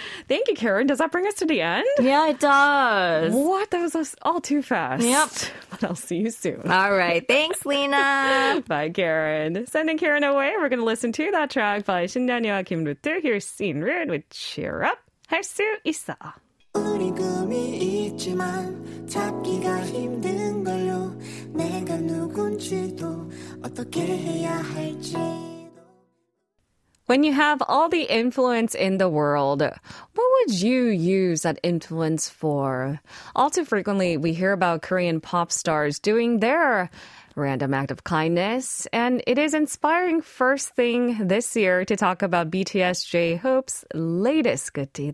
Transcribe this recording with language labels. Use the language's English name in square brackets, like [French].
[English] Thank you, Karen. Does that bring us to the end? Yeah, it does. What? That was all too fast. Yep. But I'll see you soon. All right. Thanks, Lena. Bye, Karen. Sending Karen away, we're going to listen to that track by Shin Daniel and Kim Ruth. Here's Scene Rude with Cheer Up. [Korean] 할 수 있어. 우리 꿈이 있지만 찾기가 힘든 걸로 내가 누군지도 어떻게 해야 할지. [English] When you have all the influence in the world, what would you use that influence for? All too frequently, we hear about Korean pop stars doing their random act of kindness, and it is inspiring first thing this year to talk about BTS J-Hope's latest good deed.